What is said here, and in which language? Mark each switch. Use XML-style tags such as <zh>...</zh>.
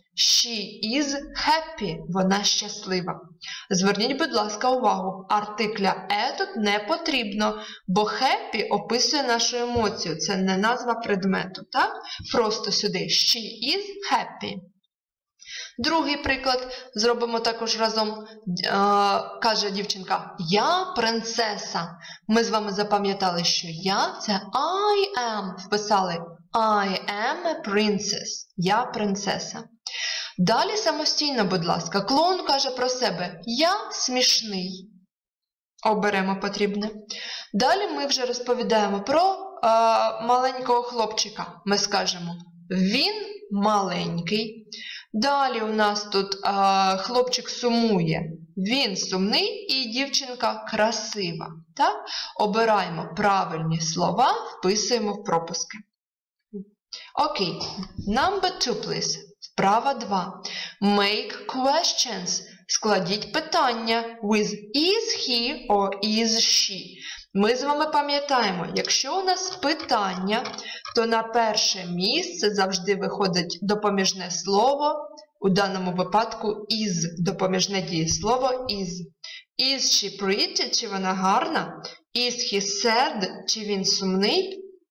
<en>«She is happy» –</en> <uk>вона щаслива. Зверніть, будь ласка, увагу, артикля «е» тут не потрібно, бо «happy» описує нашу емоцію, це не назва предмету, так? Просто сюди</uk> <en>«she is happy».</en> <uk>Другий приклад зробимо також разом, каже дівчинка, я принцеса. Ми з вами запам'ятали, що я – це</uk> <en>I am,</en> <uk>вписали</uk> <en>I am a princess,</en> <uk>я принцеса. Далі самостійно, будь ласка, клоун каже про себе, я смішний. Оберемо потрібне. Далі ми вже розповідаємо про маленького хлопчика. Ми скажемо, він маленький. Далі у нас тут хлопчик сумує. Він сумний і дівчинка красива. Так? Обираємо правильні слова, вписуємо в пропуски.</uk> <en>Окей, number two, please.</en> <uk>Вправа 2. Make questions. Складіть питання</uk> <en>with is he or is she.</en> <uk>Ми з вами пам'ятаємо, якщо у нас питання, то на перше місце завжди виходить допоміжне слово, у даному випадку is, допоміжне дієслово is.</uk> <en>Is she pretty,</en> <uk>чи вона гарна?</uk> <en>Is he sad,</en> <uk>чи він сумний?</uk>